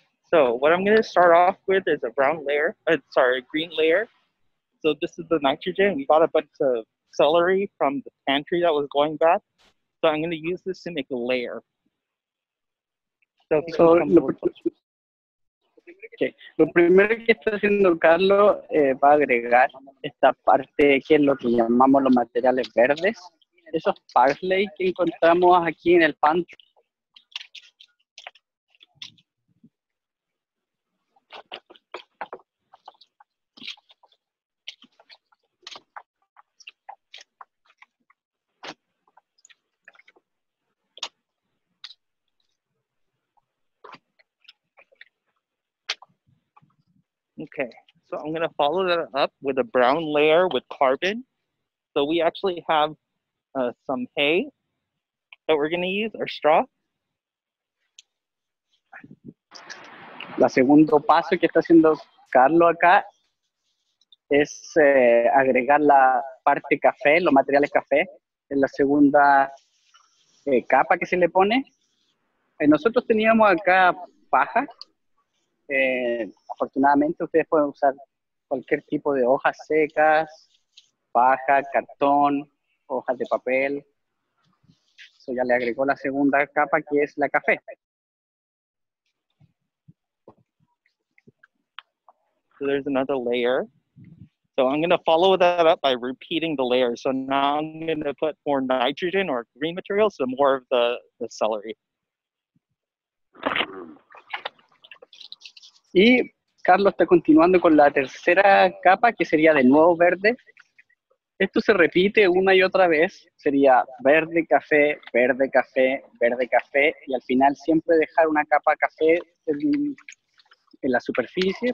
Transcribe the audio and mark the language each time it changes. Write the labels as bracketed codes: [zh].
[en] So what I'm going to start off with is a brown layer, a green layer. So this is the nitrogen. We bought a bunch of celery from the pantry that was going bad. So I'm going to use this to make a layer. So okay. [es] Lo primero que está haciendo Carlos va a agregar esta parte que es lo que llamamos los materiales verdes. Esos parsley que encontramos aquí en el pantry. [en] Okay, so I'm going to follow that up with a brown layer with carbon. So we actually have some hay that we're going to use, or straw. [es] La segundo paso que está haciendo Carlos acá es agregar la parte café, los materiales café, en la segunda capa que se le pone. Nosotros teníamos acá paja. Afortunadamente ustedes pueden usar cualquier tipo de hojas secas, paja, cartón, hojas de papel. Eso ya le agregó la segunda capa que es la café. [en] So there's another layer. So I'm going to follow that up by repeating the layer. So now I'm going to put more nitrogen or green material, so more of the celery. [es] Y Carlos está continuando con la tercera capa, que sería de nuevo verde. Esto se repite una y otra vez. Sería verde, café, verde, café, verde, café. Y al final siempre dejar una capa café en la superficie.